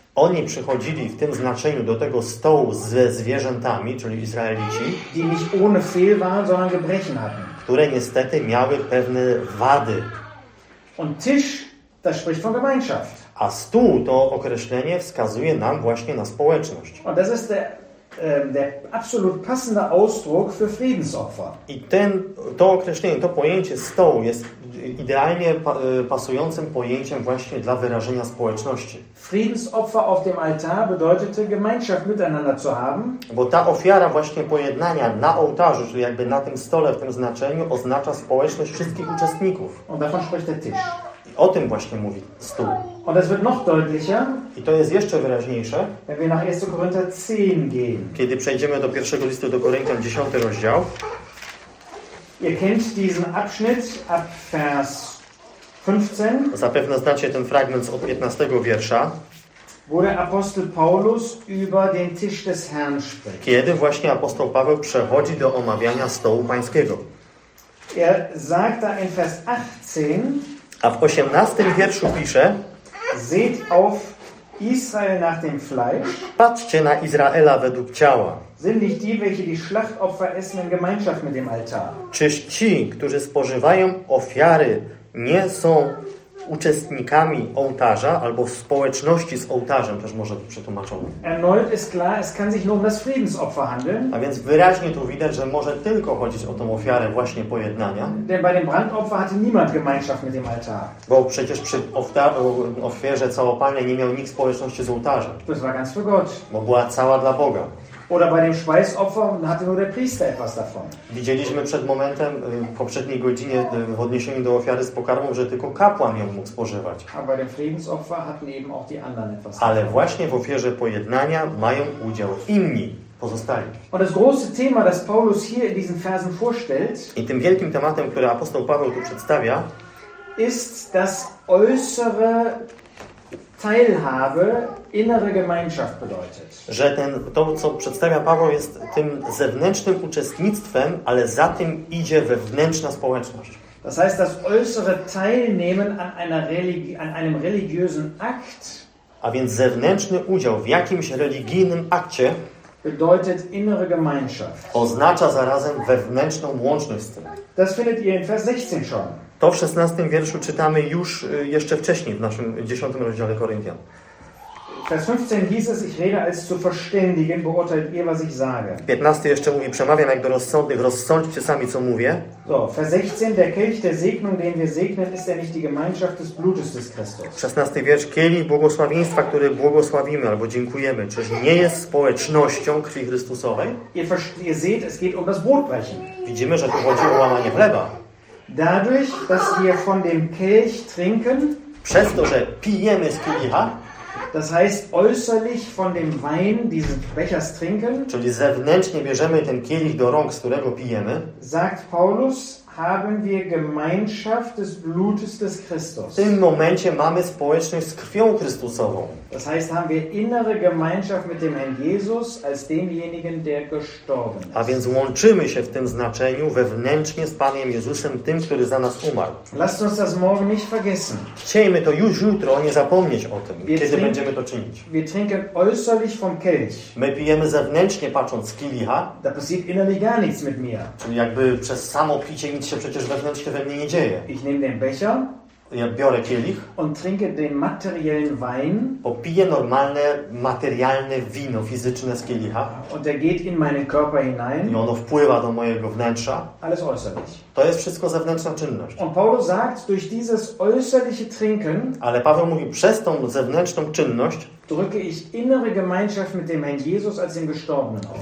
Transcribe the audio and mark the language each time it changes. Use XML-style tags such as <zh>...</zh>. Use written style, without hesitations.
<pl>Oni przychodzili w tym znaczeniu do tego stołu ze zwierzętami, czyli Izraelici,</pl> <de>die nicht ohne Fehl waren, sondern Gebrechen hatten.</de> <pl>Które niestety miały pewne wady.</pl> <de>Und Tisch, das spricht von Gemeinschaft.</de> <pl>A stół to określenie wskazuje nam właśnie na społeczność.</pl> <de>Und das ist der absolut passende Ausdruck für Friedensopfer.</de> <pl>I ten, to określenie, to pojęcie stołu jest idealnie pasującym pojęciem właśnie dla wyrażenia społeczności.</pl> <de>Friedensopfer auf dem Altar bedeutete Gemeinschaft miteinander zu haben.</de> <pl>Bo ta ofiara właśnie pojednania na ołtarzu, czyli jakby na tym stole w tym znaczeniu, oznacza społeczność wszystkich uczestników.</pl> <de>Und davon spricht der Tisch.</de> <pl>I o tym właśnie mówi stół.</pl> <de>Und es wird noch deutlicher.</de> <pl>I to jest jeszcze wyraźniejsze.</pl> <de>Wenn wir nach 1. Korinther 10 gehen.</de> <pl>Kiedy przejdziemy do 1. listu do Koryntian, 10. rozdział.</pl> <de>Ihr kennt diesen Abschnitt ab Vers 15.</de> <pl>Zapewne znacie ten fragment od 15 wiersza.</pl> <de>Wo der Apostel Paulus über den Tisch des Herrn spricht.</de> <pl>Kiedy właśnie apostoł Paweł przechodzi do omawiania stołu Pańskiego.</pl> <de>Er sagt da in Vers 18.</de> <pl>A w 18 wierszu pisze:</pl> <de>Seht auf Israel nach dem Fleisch.</de> <pl>Patrzcie na Izraela według ciała.</pl> <de>Sind nicht die, welche die Schlachtopfer essen in Gemeinschaft mit dem Altar?</de> <pl>Czyż ci, którzy spożywają ofiary, nie są uczestnikami ołtarza albo w społeczności z ołtarzem, też może być przetłumaczone.</pl> <de>Erneut ist klar, es kann sich nur um das Friedensopfer handeln.</de> <pl>A więc wyraźnie tu widać, że może tylko chodzić o tą ofiarę właśnie pojednania.</pl> <de>Denn bei dem Brandopfer hatte niemand Gemeinschaft mit dem Altar.</de> <pl>Bo przecież przy ofierze całopalnej nie miał nikt społeczności z ołtarzem.</pl> <de>Das war ganz für Gott.</de> <pl>Bo była cała dla Boga.</pl> <de>Oder bei dem Schweißopfer hatte nur der Priester etwas davon.</de> <pl>Widzieliśmy przed momentem, w poprzedniej godzinie, w odniesieniu do ofiary z pokarmą, że tylko kapłan ją mógł spożywać.</pl> <de>Aber bei dem Friedensopfer hatten eben auch die anderen etwas davon.</de> <pl>Ale właśnie w ofierze pojednania mają udział inni, pozostali.</pl> <de>Und das große Thema, das Paulus hier in diesen Versen vorstellt,</de> <pl>i tym wielkim tematem, który apostoł Paweł tu przedstawia,</pl> <de>ist das äußere Teilhabe, innere Gemeinschaft bedeutet.</de> <pl>Że to, co przedstawia Paweł, jest tym zewnętrznym uczestnictwem, ale za tym idzie wewnętrzna społeczność.</pl> <de>Das heißt, das äußere Teilnehmen an einer an einem religiösen Akt.</de> <pl>A więc zewnętrzny udział w jakimś religijnym akcie</pl> <de>bedeutet innere Gemeinschaft.</de> <pl>Oznacza zarazem wewnętrzną łączność z tym.</pl> <de>Das findet ihr in Vers 16 schon.</de> <pl>To w 16 wierszu czytamy już jeszcze wcześniej w naszym 10 rozdziale Koryntian.</pl> <de>Vers 15 hieß es, ich rede als zu verständigen, beurteilt ihr, was ich sage.</de> <pl>15 jeszcze mówi, przemawiam jak do rozsądnych, rozsądźcie sami, co mówię.</pl> <de>So, Vers 16, der Kelch der Segnung, den wir segnen, ist er nicht die Gemeinschaft des Blutes des Christus.</de> <pl>16 wiersz, kielich błogosławieństwa, który błogosławimy albo dziękujemy, czyż nie jest społecznością krwi Chrystusowej?</pl> <de>Ihr seht, es geht um das Brotbrechen.</de> <pl>Widzimy, że tu chodzi o łamanie chleba.</pl> <de>Dadurch, dass wir von dem Kelch trinken,</de> <pl>przez to, że pijemy z kielicha,</pl> <de>das heißt äußerlich von dem Wein dieses Bechers trinken,</de> <pl>czyli zewnętrznie bierzemy ten kielich do rąk, z którego pijemy,</pl> <de>sagt Paulus, haben wir Gemeinschaft des Blutes des Christus.</de> <pl>W tym momencie mamy społeczność z krwią Chrystusową.</pl> <de>Das heißt, haben wir innere Gemeinschaft mit dem Herrn Jesus als demjenigen, der gestorben ist.</de> <pl>A więc łączymy się w tym znaczeniu wewnętrznie z Panem Jezusem, tym, który za nas umarł.</pl> <de>Lasst uns das morgen nicht vergessen.</de> <pl>Chciejmy to już jutro, nie zapomnieć o tym, kiedy będziemy to czynić.</pl> <de>Wir trinken äußerlich vom Kelch.</de> <pl>My pijemy zewnętrznie, patrząc z kielicha.</pl> <de>Da passiert innerlich gar nichts mit mir.</de> <pl>Czyli jakby przez samo picie nic się przecież wewnętrznie we mnie nie dzieje.</pl> <de>Ich nehme den Becher.</de> <pl>Ja biorę kielich.</pl> <de>Und trinke den materiellen Wein.</de> <pl>Popiję normalne, materialne wino fizyczne z kielicha.</pl> <de>Und er geht in meinen Körper hinein.</de> <pl>I ono wpływa do mojego wnętrza.</pl> <de>Alles äußerlich.</de> <pl>To jest wszystko zewnętrzna czynność.</pl> <de>Und Paulus sagt, durch dieses äußerliche Trinken.</de> <pl>Ale Paweł mówi, przez tą zewnętrzną czynność</pl> <de>drücke ich innere Gemeinschaft mit dem Herrn Jesus als dem Gestorbenen aus.</de>